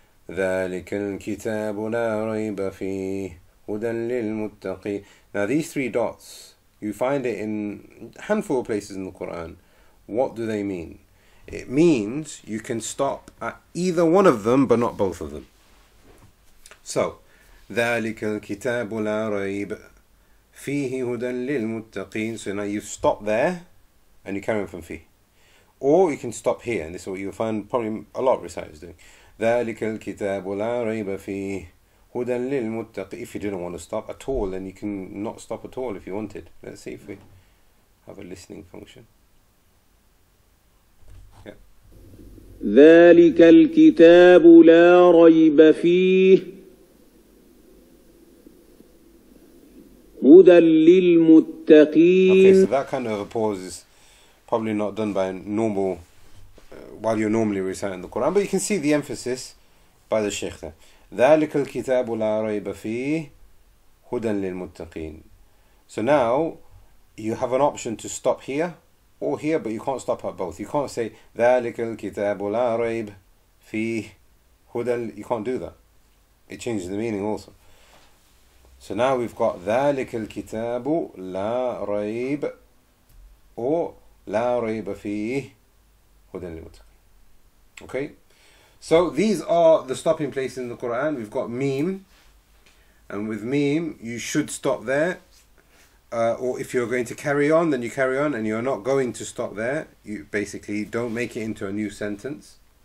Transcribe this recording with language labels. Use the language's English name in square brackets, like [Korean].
[Arabic] ذلك الكتاب لا ريب فيه هدى للمتقين. [English] Now these three dots, you find it in a handful of places in the Quran. What do they mean? It means you can stop at either one of them, but not both of them. [Arabic] So, ذلك الكتاب لا ريب فيه هدى للمتقين. [English] So now you've stopped there, and you carry on from fi. Or you can stop here, and this is what you'll find probably a lot of reciters doing. [Arabic] ذَلِكَ الْكِتَابُ لَا رَيْبَ فِيهِ هُدًى لِلْمُتَّقِ. [English] If you didn't want to stop at all, then you can not stop at all if you wanted. Let's see if we have a listening function. [Arabic] Yeah. ذَلِكَ الْكِتَابُ لَا رَيْبَ فِيهِ هدى للمتقين. [English] Okay, so that kind of a pause is probably not done by normal while you're normally reciting the Quran, but you can see the emphasis by the Sheikh there. [Arabic] ذلك الكتاب لا ريب فيه هدى للمتقين. [English] So now you have an option to stop here or here, but you can't stop at both. You can't say [Arabic] ذلك الكتاب لا ريب فيه هدى. [English] You can't do that. It changes the meaning also. So now we've got [Arabic] ذلك الكتاب لا ريب or لا ريب فيه هدى للمتقين. [English] Okay. So these are the stopping places in the Quran. We've got ميم, and with ميم you should stop there. Or if you're going to carry on, then you carry on, and you're not going to stop there. You basically don't make it into a new sentence.